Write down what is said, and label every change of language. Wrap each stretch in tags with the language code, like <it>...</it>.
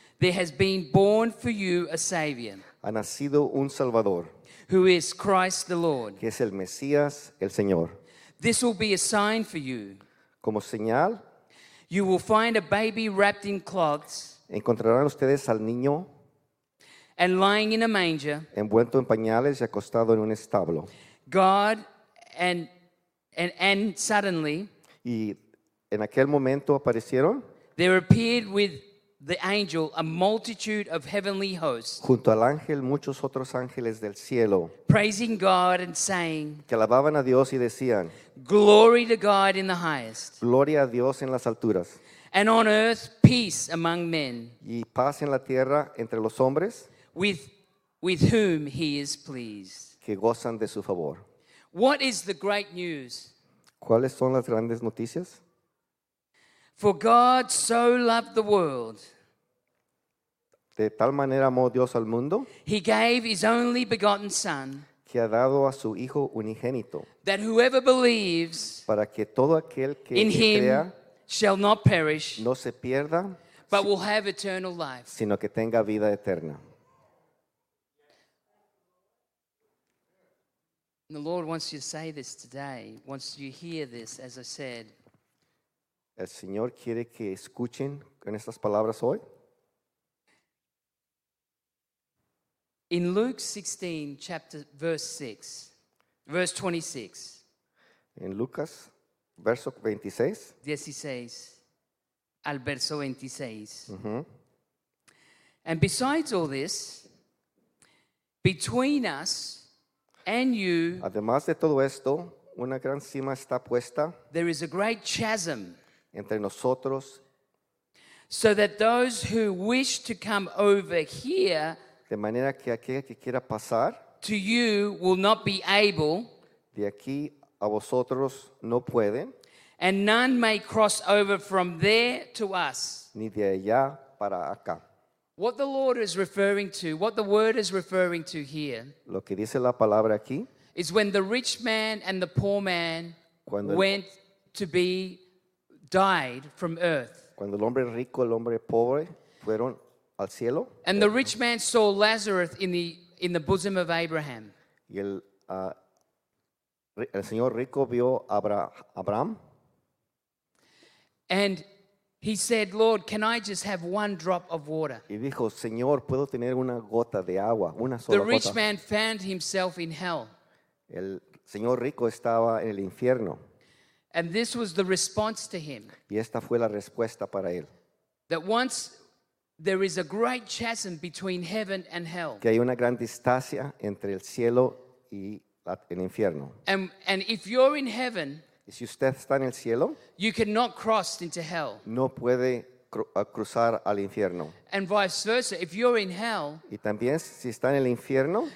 <en>there has been born for you a Savior,</en> <es>ha nacido un Salvador,</es> <en>who is Christ the Lord,</en> <es>que es el Mesías, el Señor.</es> <en>This will be a sign for you.</en> <es>Como señal,</es> <en>you will find a baby wrapped in cloths,</en> <es>encontrarán ustedes al niño,</es> <en>and lying in a manger,</en> <es>envuelto en pañales y acostado en un establo.</es> <en>God and suddenly,</en> <es>y en aquel momento aparecieron,</es> <en>there appeared with the angel a multitude of heavenly hosts,</en> <es>junto al ángel muchos otros ángeles del cielo,</es> <en>praising God and saying,</en> <es>que alababan a Dios y decían,</es> <en>glory to God in the highest,</en> <es>gloria a Dios en las alturas,</es> <en>and on earth peace among men,</en> <es>y paz en la tierra entre los hombres,</es> <en>with whom he is pleased,</en> <es>que gozan de su favor.</es> <en>What is the great news?</en> <es>¿Cuáles son las grandes noticias?</es> <en>For God so loved the world,</en> <es>de tal manera amó Dios al mundo,</es> <en>he gave his only begotten son,</en> <es>que ha dado a su hijo unigénito,</es> <en>that whoever believes,</en> <es>para que todo aquel que</es> <en>in him</en> <es>crea,</es> <en>shall not perish,</en> <es>no se pierda,</es> <en>but will have eternal life,</en> <es>sino que tenga vida eterna.</es> <en>And the Lord wants you to say this today, wants you to hear this, as I said.</en> <es>El Señor quiere que escuchen en estas palabras hoy.</es> <en>In Luke 16, chapter verse 26.</en> <es>En Lucas, verso 26. 16 al verso 26. Uh-huh.</es> <en>And besides all this, between us and you,</en> <es>además de todo esto, una gran cima está puesta.</es> <en>There is a great chasm</en> <es>entre nosotros,</es> <en>so that those who wish to come over here,</en> <es>de manera que aquel que quiera pasar,</es> <en>to you will not be able,</en> <es>de aquí a vosotros no pueden,</es> <en>and none may cross over from there to us,</en> <es>ni de allá para acá.</es> <en>What the Lord is referring to, what the word is referring to here,</en> <es>lo que dice la palabra aquí,</es> <en>is when the rich man and the poor man went to be died from earth.</en> <es>Cuando el hombre rico, el hombre pobre fueron al cielo.</es> <en>And the rich man saw Lazarus in the bosom of Abraham.</en> <es>Y el señor rico vio a Abraham.</es> <en>And he said, "Lord, can I just have one drop of water?"</en> <es>Y dijo, "Señor, ¿puedo tener una gota de agua, una sola gota?"</es> <en>The rich man found himself in hell.</en> <es>El señor rico estaba en el infierno.</es> <en>And this was the response to him.</en> <es>Y esta fue la respuesta para él.</es> <en>That once there is a great chasm between heaven and hell.</en> <es>Que hay una gran distancia entre el cielo y el infierno.</es> <en>And if you're in heaven,</en> <es>y si usted está en el cielo,</es> <en>you cannot cross into hell.</en> <es>No puede cruzar al infierno.</es> <en>And vice versa, if you're in hell,</en> <es>y también si está en el infierno,</es>